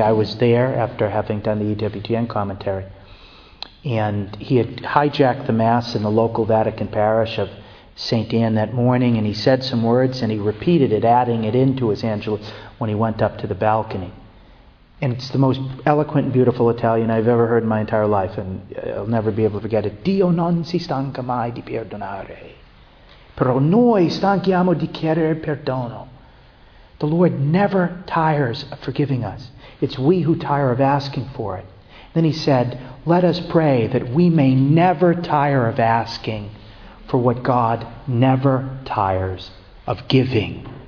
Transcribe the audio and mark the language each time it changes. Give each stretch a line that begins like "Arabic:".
English: I was there after having done the EWTN commentary. And he had hijacked the Mass in the local Vatican parish of St. Anne that morning, and he said some words and he repeated it, adding it into his Angelus when he went up to the balcony. And it's the most eloquent and beautiful Italian I've ever heard in my entire life, and I'll never be able to forget it.
Italian: Dio non si stanca mai di perdonare, però noi stanchiamo di chiedere perdono.
English: The Lord never tires of forgiving us. It's we who tire of asking for it. Then he said, let us pray that we may never tire of asking for what God never tires of giving.